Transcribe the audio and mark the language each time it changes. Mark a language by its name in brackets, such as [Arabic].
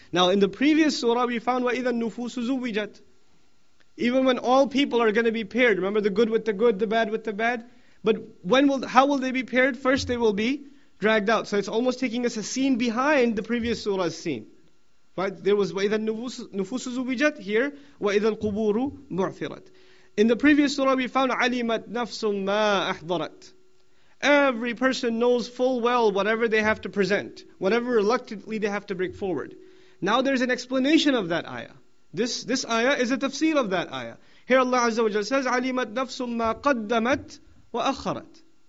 [English] Now, in the previous surah, we found [Arabic] وَإِذَا النُّفُوسُ زُوِّجَتْ. [English] Even when all people are going to be paired, remember the good with the good, the bad with the bad. But how will they be paired? First, they will be dragged out. So it's almost taking us a scene behind the previous surah's scene. Right? There was [Arabic] وَإِذَا النُّفُوسُ زُوِّجَتْ. [English] Here, [Arabic] وَإِذَا الْقُبُورُ بُعْثِرَتْ. [English] In the previous surah, we found [Arabic] عَلِمَتْ نَفْسٌ مَا أَحْضَرَتْ. [English] Every person knows full well whatever they have to present, whatever reluctantly they have to bring forward. Now there's an explanation of that ayah. This ayah is a tafsir of that ayah. Here Allah Azza wa Jalla says, [Arabic] عَلِمَتْ نَفْسٌ مَا قَدَّمَتْ وَأَخَّرَتْ.